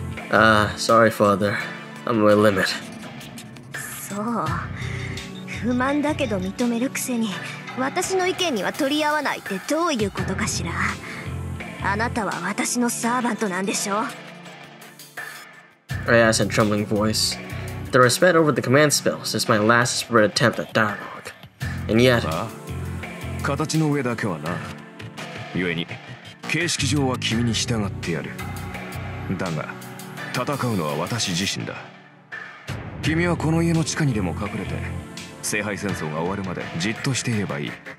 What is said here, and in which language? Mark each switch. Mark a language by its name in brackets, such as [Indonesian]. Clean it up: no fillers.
[English] Ah, sorry, father. I'm my limit. [Japanese] そう。不満だけど認めるくせに、私の意見には取り合わないってどういうことかしら。あなたは私のサーバントなんでしょ。 [English] I asked in a trembling voice. The respect over the command spells is my last spirit attempt at dialogue. And yet... [Japanese] ああ、形の上だけはな。故に、形式上は君に従ってやる。だが、戦うのは私自身だ。君はこの家の地下にでも隠れて、聖杯戦争が終わるまでじっとしていればいい。